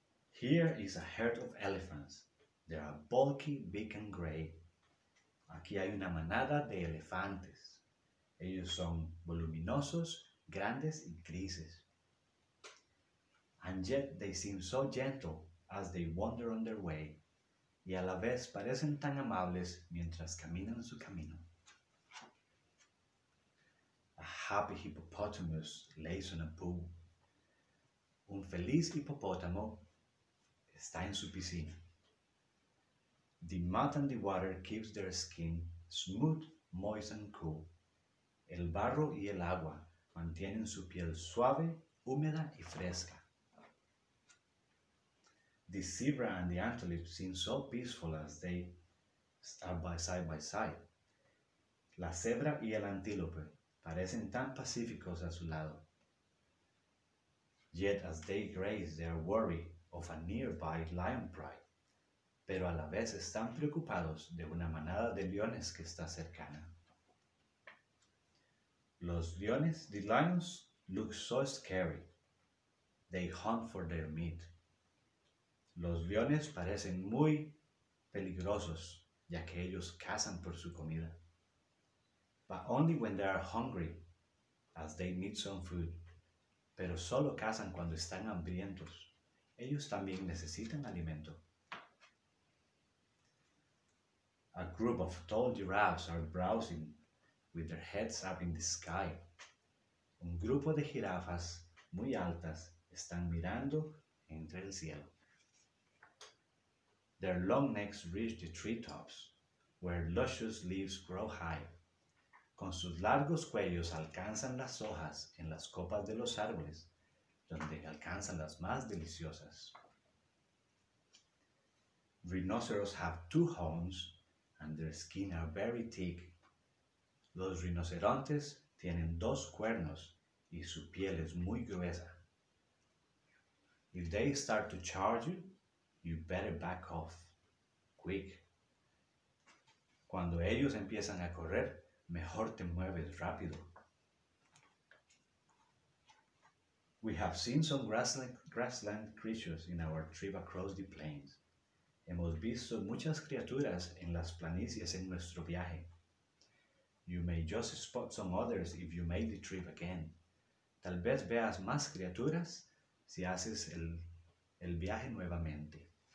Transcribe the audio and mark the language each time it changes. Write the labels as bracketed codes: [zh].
[en] Here is a herd of elephants. They are bulky, big and gray. [es] Aquí hay una manada de elefantes. Ellos son voluminosos, grandes y grises. [en] And yet they seem so gentle as they wander on their way. [es] Y a la vez parecen tan amables mientras caminan su camino. [en] A happy hippopotamus lays on a pool. [es] Un feliz hipopótamo está en su piscina. [en] The mud and the water keeps their skin smooth, moist and cool. [es] El barro y el agua mantienen su piel suave, húmeda y fresca. [en] The zebra and the antelope seem so peaceful as they are by side. [es] La cebra y el antílope parecen tan pacíficos a su lado. [en] Yet as they graze, they are worried of a nearby lion pride. [es] Pero a la vez están preocupados de una manada de leones que está cercana. [en] The lions look so scary. They hunt for their meat. [es] Los leones parecen muy peligrosos, ya que ellos cazan por su comida. [en] But only when they are hungry, as they need some food. [es] Pero solo cazan cuando están hambrientos. Ellos también necesitan alimento. [en] A group of tall giraffes are browsing with their heads up in the sky. [es] Un grupo de jirafas muy altas están mirando entre el cielo. [en] Their long necks reach the treetops, where luscious leaves grow high. [es] Con sus largos cuellos alcanzan las hojas en las copas de los árboles, donde alcanzan las más deliciosas. [en] Rhinoceros have two horns, and their skin are very thick. [es] Los rinocerontes tienen dos cuernos y su piel es muy gruesa. [en] If they start to charge you, you better back off, quick. [es] Cuando ellos empiezan a correr, mejor te mueves rápido. [en] We have seen some grassland creatures in our trip across the plains. [es] Hemos visto muchas criaturas en las planicies en nuestro viaje. [en] You may just spot some others if you make the trip again. [es] Tal vez veas más criaturas si haces el viaje nuevamente.